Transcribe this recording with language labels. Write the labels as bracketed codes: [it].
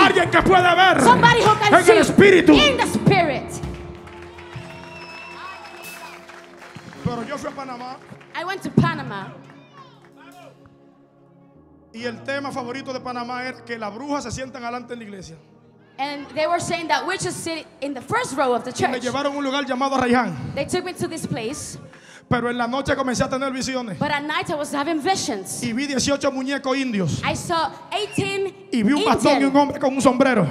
[es] a alguien que puede ver [en] somebody who can [es] en el espíritu. [en] In the spirit. [es] Pero yo fui a Panamá. [en] I went to Panama. [es] Y el tema favorito de Panamá es que las brujas se sientan adelante en la iglesia. [en] And they were saying that witches sit in the first row of the church. [es] Me llevaron a un lugar llamado Rayán. [en] They took me to this place. [es] Pero en la noche comencé a tener visiones. [en] But at night I was having visions. [es] Y vi 18 muñecos indios. [en] I saw 18 [es] y vi un bastón y un hombre con un sombrero.